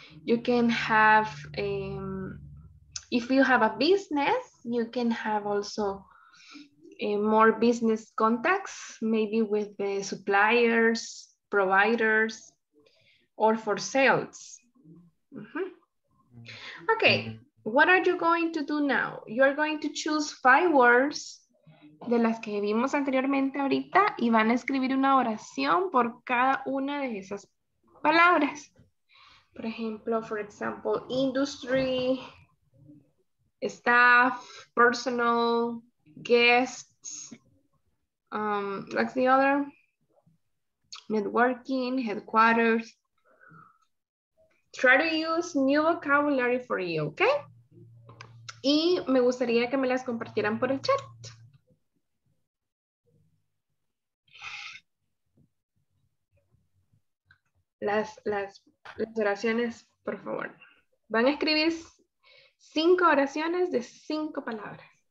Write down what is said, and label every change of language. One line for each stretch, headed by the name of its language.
English: You can have, if you have a business, you can have also more business contacts, maybe with the suppliers, providers, or for sales. Okay, what are you going to do now? You're going to choose 5 words
Spanish: de las que vimos anteriormente ahorita y van a escribir una oración por cada una de esas palabras. Por ejemplo,
English: for example, industry, staff, personal, guests, what's the other? Networking, headquarters. Try to use new vocabulary for you, okay?
Spanish: Y me gustaría que me las compartieran por el chat. Las oraciones, por favor. Van a escribir 5 oraciones de 5 palabras.